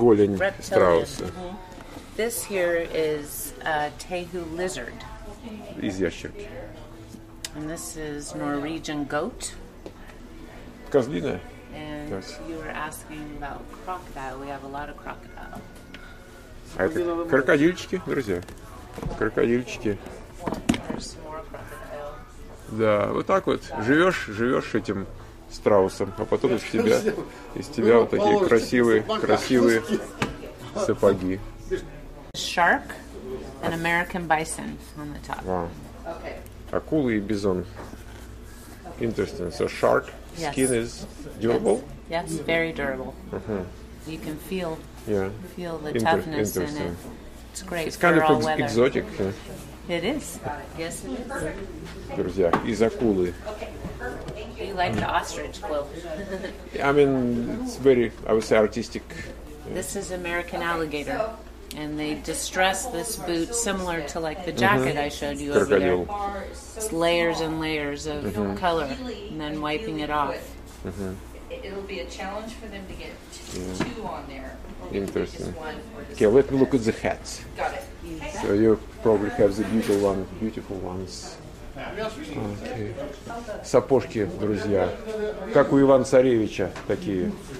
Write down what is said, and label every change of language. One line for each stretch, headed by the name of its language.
Russian: Голень страуса.
English: This here is a tehu lizard.
Russian: Из ящерки.
English: And this is Norwegian goat.
Russian: Козлина.
English: And yes. You were asking about crocodile. We have a lot of crocodile.
Russian: А это крокодильчики, друзья. Крокодильчики.
English: There's more crocodile.
Russian: Да, вот так вот. Живешь этим страусом, а потом из тебя вот такие красивые сапоги.
English: Shark, an American bison on the top.
Russian: Wow. Акула и бизон.
English: Interesting. So shark skin is durable? Yes, very durable. Uh-huh. You can feel the toughness in it. It's great. It's kind for of all weather. Exotic. It is. Yes, it is.
Russian: Друзья, из акулы.
English: You like the ostrich quill? I mean, it's very, I would say, artistic. This is American alligator. And they distress this boot similar to like the jacket mm-hmm. I showed you over there. It's layers and layers of mm-hmm. color and then wiping it off. Mm-hmm. It'll be a challenge for them to get two on there. Or interesting. One okay, let me look at the hats. Got it. So you probably have the beautiful ones.
Russian: Okay. Сапожки, друзья. Как у Ивана Царевича такие.